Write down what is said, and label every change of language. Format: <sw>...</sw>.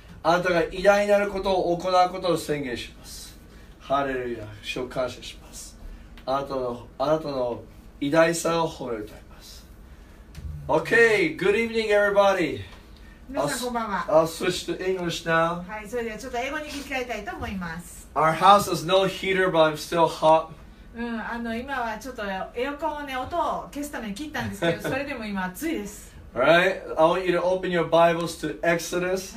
<ja>あなたが偉大なることを行うことを宣言します。ハレルヤ。主を感謝します。あなたの偉大さを褒めたいます。</ja> <en>OK, good evening everybody.</en> <ja>皆さんこんばんは。</ja> <en>I'll switch to English now.</en> <ja>はい、それではちょっと英語に切り替えたいと思います。</ja> <en>Our house has no heater, but I'm still hot.</en> <ja>うん、あの今はちょっとエアコンをね、音を消すために切ったんですけど、それでも今暑いです。</ja> <en>Alright, I want you to open your Bibles to Exodus.</en>